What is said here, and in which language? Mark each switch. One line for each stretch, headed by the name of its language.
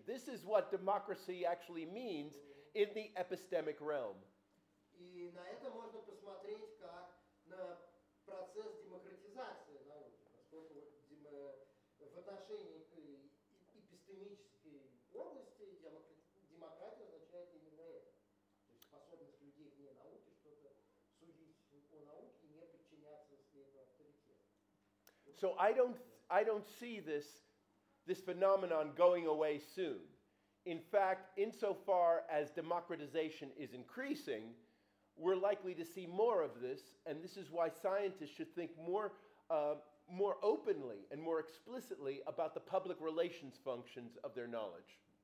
English: This is what democracy actually means in the epistemic realm.
Russian: И на это можно посмотреть как на процесс демократизации науки, поскольку в отношении эпистемической области демократия означает именно это, то есть способность людей вне науки что-то судить о науке и не подчиняться слепо.
English: So I don't see this phenomenon going away soon. In fact, insofar as democratization is increasing, we're likely to see more of this, and this is why scientists should think more openly and more explicitly about the public relations functions of their knowledge.